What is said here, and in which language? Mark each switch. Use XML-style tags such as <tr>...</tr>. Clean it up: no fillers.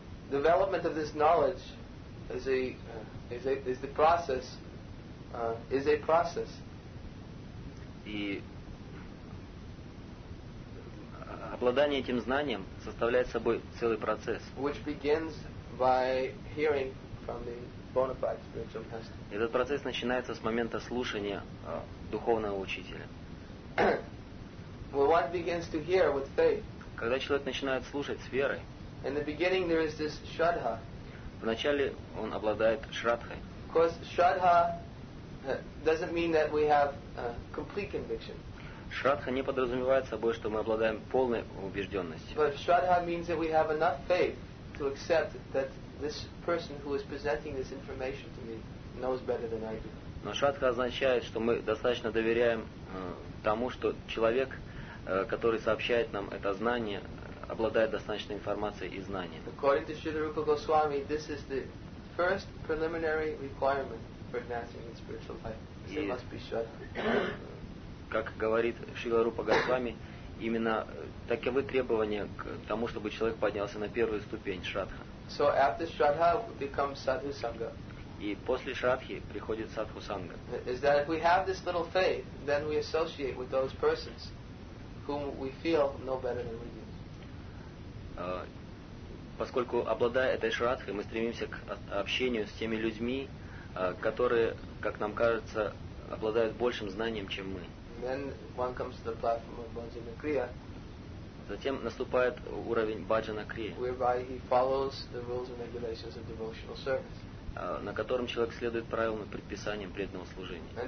<en>Development of this knowledge is a process.</en> <ru>И обладание этим знанием составляет собой целый процесс.</ru> <en>Which begins by hearing from the bona fide spiritual master.</en> <ru>Этот процесс начинается с момента слушания духовного учителя.</ru> <en>Well, one begins to hear with faith.</en> <ru>Когда человек начинает слушать с верой,</ru> <en>in the beginning there is this shraddha.</en> <ru>Вначале он обладает шраддхой.</ru> <en>Because shraddha doesn't mean that we have complete conviction.</en> <ru>Шраддха не подразумевает собой, что мы обладаем полной убежденностью.</ru> <en>But shraddha means that we have enough faith to accept that this person who is presenting this information to me knows better than I do.</en> <ru>Но шраддха означает, что мы достаточно доверяем тому, что человек, который сообщает нам это знание, обладает достаточной информацией и знанием.</ru> <en>According to Srila Rupa Goswami, this is the first preliminary requirement for advancing in spiritual life. It must be shraddha.</en> <ru>Как говорит Шрила Рупа Госвами, именно таковы требования к тому, чтобы человек поднялся на первую ступень шраддха.</ru> <en>So after Shraddha becomes Sadhu Sangha.</en> <ru>И после Шрадхи приходит Садху Санга.</ru> <en>Is that if we have this little faith, then we associate with those persons whom we feel know better than we do.</en> <ru>Поскольку обладая этой Шрадхой, мы стремимся к общению с теми людьми, которые, как нам кажется, обладают большим знанием, чем мы.</ru> <en>Then one comes to the platform of Bhajana Kriya.</en> <ru>Затем наступает уровень Bhajana Kriya.</ru> <en>Whereby he follows the rules and regulations of devotional service.</en> <ru>На котором человек следует правилам и предписаниям преданного служения.</ru>